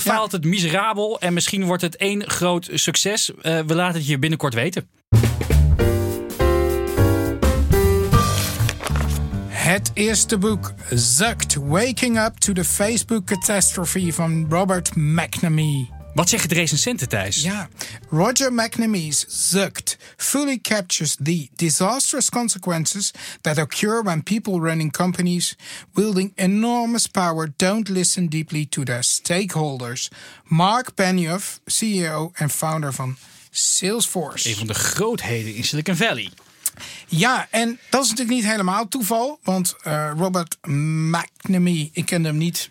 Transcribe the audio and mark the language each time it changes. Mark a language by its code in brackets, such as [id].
[nl] faalt het miserabel en misschien wordt het één groot succes. We laten het je binnenkort weten. Het eerste boek, Zucked, Waking Up to the Facebook Catastrophe van Robert McNamee. Wat zeggen de recensenten, Thijs? [en] Ja, Roger McNamee's Zucked fully captures the disastrous consequences that occur when people running companies wielding enormous power don't listen deeply to their stakeholders. [nl] Mark Benioff, CEO en founder van Salesforce. Een van de grootheden in Silicon Valley. Ja, en dat is natuurlijk niet helemaal toeval, want Robert McNamee, ik kende hem niet.